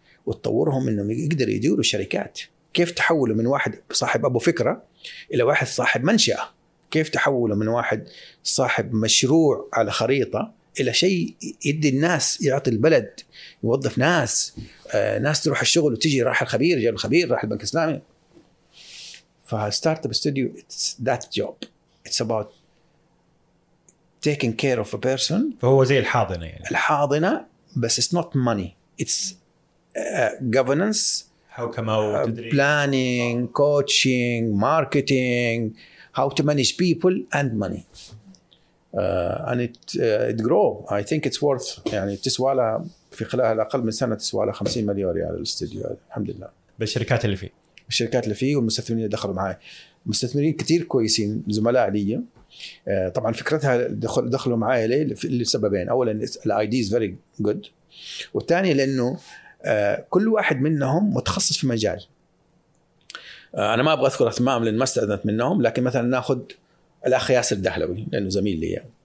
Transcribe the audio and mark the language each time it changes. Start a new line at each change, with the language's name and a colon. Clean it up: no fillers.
Arabic: وتطورهم انهم يقدروا يديروا شركات كيف تحولوا من واحد صاحب ابو فكرة الى واحد صاحب منشأة كيف تحولوا من واحد صاحب مشروع على خريطة إلى شيء يدي الناس يعطي البلد يوظف ناس ناس تروح الشغل وتجي راح الخبير جاء الخبير راح البنك الإسلامي فستارت اب ستوديو
English: it's that job it's about taking care of a person
Arabic: فهو زي الحاضنة يعني الحاضنة بس
English: it's not money it's governance how come out planning coaching marketing how to manage people and money and it grow I think it's worth
Arabic: يعني تسوى لها في خلال الأقل من سنة تسوى لها 50 مليون ريال الاستوديو الحمد لله بالشركات اللي فيه والمستثمرين اللي دخلوا معي مستثمرين كتير كويسين زملاء لي طبعا فكرتها دخلوا معي لسببين أولا ال
English: ID is very good
Arabic: والثاني لأنه كل واحد منهم متخصص في مجال أنا ما أبغى أذكر أسماء لأن ما استأذنت منهم لكن مثلا نأخذ الأخ ياسر الدهلوي لأنه زميل لي